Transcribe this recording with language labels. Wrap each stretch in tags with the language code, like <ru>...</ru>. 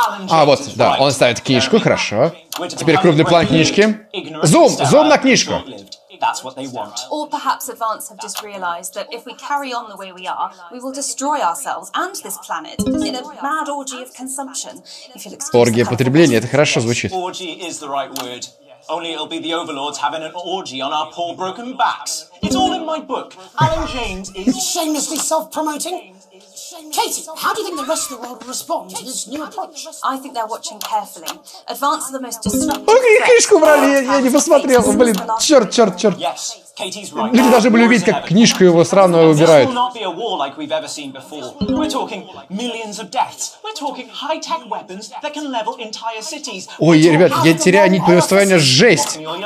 <ru>А, вот, да, он ставит книжку, хорошо. Теперь крупный план книжки. Зум, зум на книжку.</ru> <en>That's what they want. Or perhaps Advance have just realized that if we carry on the way we are, we will destroy ourselves and this planet in a mad orgy of consumption.</en> <ru>Оргия потребления, это хорошо звучит.</ru> <en>Orgy is the right word. Only it'll be the overlords having an orgy on our poor broken backs. It's all in my book. Alan James is shamelessly self-promoting. Katie, how do you think the rest of the world will respond to this new approach? I think they're watching carefully. Advance are the most disruptive.</en> <ru>Окей, книжку убрали, я не посмотрел. Блин, черт, черт, черт. Люди должны были увидеть, как книжку его сраную убирают. Ой, ребят, я теряю нить повествования, жесть.</ru>